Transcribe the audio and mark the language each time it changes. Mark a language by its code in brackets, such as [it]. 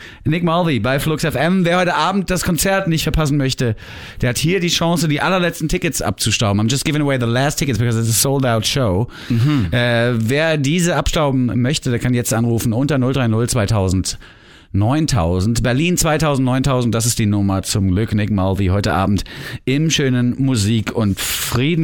[de] Nick Mulvey bei Flux FM, wer heute Abend das Konzert nicht verpassen möchte, der hat hier die Chance, die allerletzten Tickets abzustauben. [en] I'm just giving away the last tickets because it's a sold out show. Mhm. [de] Wer diese abstauben möchte, der kann jetzt anrufen unter 030-2000-9000. Berlin 2000-9000, das ist die Nummer. Zum Glück Nick Mulvey heute Abend im schönen Musik und Frieden.